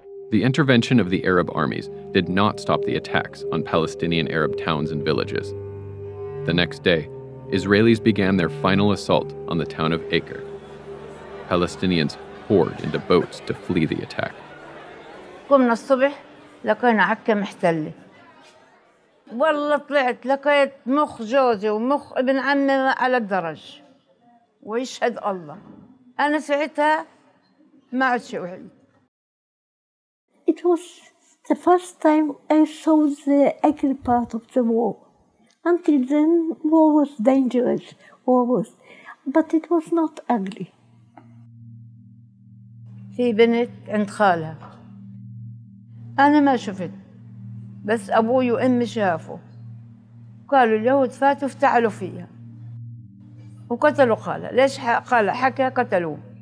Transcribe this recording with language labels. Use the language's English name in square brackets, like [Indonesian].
[English] The intervention of the Arab armies did not stop the attacks on Palestinian Arab towns and villages. The next day, Israelis began their final assault on the town of Acre. Palestinians poured into boats to flee the attack. [Arabic] قمنا الصبح لقينا عكا محتلة. والله طلعت لقيت مخ جوزي ومخ ابن عمي على الدرج. ويشهد الله. أنا ساعتها ما عدت شيء وحيد. [English] It was the first time I saw the Acre part of the war. Until then, war was dangerous, war was, but it was not ugly. [Arabic] في بنت عند خالها. أنا ما شفت، بس أبوي وأمي شافوا. قالوا اليهود فاتوا افتعلوا فيها. وقتلوا خالها، ليش خالها حكى قتلوه.